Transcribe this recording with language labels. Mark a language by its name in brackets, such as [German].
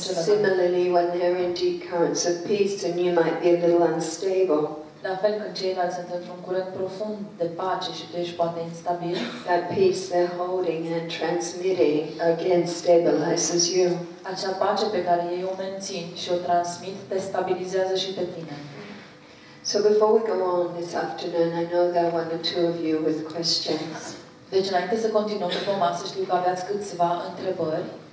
[English] Similarly, when there are deep currents of peace, then you might be a little unstable. [Romanian] La fel când ceilalți sunt într-un curent profund de pace și tu ești poate instabil. [English] That peace they're holding and transmitting again stabilizes you. [Romanian] Acea pace pe care ei o mențin și o transmit te stabilizează și pe tine. [English] So before we go on this afternoon, I know there are one or two of you with questions. [Romanian] Deci înainte să continuăm după masă, știu că aveați câțiva întrebări.